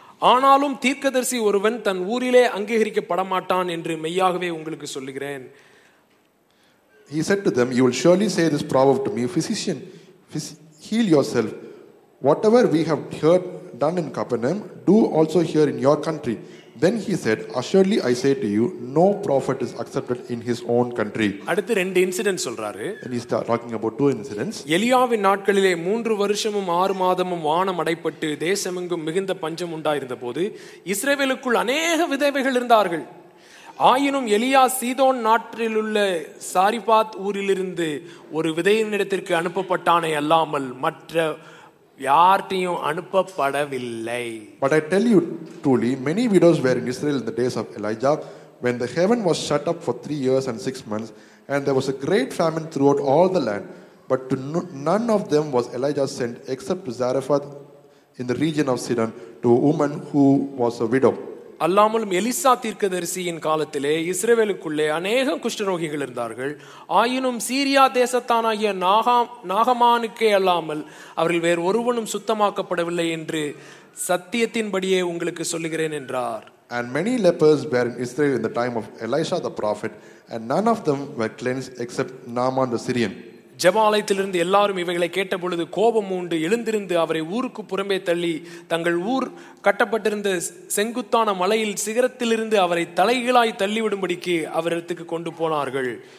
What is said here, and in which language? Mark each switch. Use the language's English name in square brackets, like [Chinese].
[Tamil] ஆனாலும் தீர்க்கதரிசி ஒருவன் தன் ஊரிலே அங்கீகரிக்கப்படமாட்டான் என்று மெய்யாகவே உங்களுக்கு சொல்லுகிறேன். [English] He said to them, you will surely say this proverb to me, physician, heal yourself. Whatever we have heard done in Capernaum, do also here in your country. Then he said, assuredly I say to you, no prophet is accepted in his own country. [Tamil] அடுத்து ரெண்டு incident சொல்றாரு. [English] And he start talking about two incidents. [Tamil] எலியாவின் நாட்களிலே 3 வருஷமும் 6 மாதமும் வானம் அடைபட்டு தேசமெங்கும் மிகுந்த பஞ்சம் உண்டாயிருந்த போது இஸ்ரவேலுக்குள் அநேக விதவைகள் இருந்தார்கள். ஆயினும் எலியா சீதோன் நாட்டில் உள்ள சாரிபாத் ஊரிலிருந்து ஒரு விதையின் இடத்திற்கு அனுப்பப்பட்டானே அல்லாமல் மற்ற யார்ட்டையும் அனுப்பப்படவில்லை. [English] But I tell you truly, many widows were in Israel in the days of Elijah, when the heaven was shut up for 3 years and 6 months, and there was a great famine throughout all the land, but to none of them was Elijah sent except to Zarephath in the region of Sidon, to a woman who was a widow. [Tamil] அல்லாமலும் Elisha தீர்க்க தரிசியின் காலத்திலே இஸ்ரேவேலுக்குள்ளே அநேக குஷ்டரோகிகள் இருந்தார்கள். ஆயினும் சீரியா தேசத்தானாகிய நாகமானுக்கே அல்லாமல் அவர்கள் வேறு ஒருவனும் சுத்தமாக்கப்படவில்லை என்று சத்தியத்தின்படியே உங்களுக்கு சொல்லுகிறேன் என்றார். [English] And many lepers were in Israel in the time of Elisha the prophet, and none of them were cleansed except Naaman the Syrian. [Tamil] ஜெபாலயத்திலிருந்து எல்லாரும் இவைகளை கேட்டபொழுது கோபம் உண்டு, எழுந்திருந்து அவரை ஊருக்கு புறம்பே தள்ளி தங்கள் ஊர் கட்டப்பட்டிருந்த செங்குத்தான மலையில் சிகரத்திலிருந்து அவரை தலைகளாய் தள்ளிவிடும்படிக்கு அவரிடத்துக்கு கொண்டு போனார்கள்.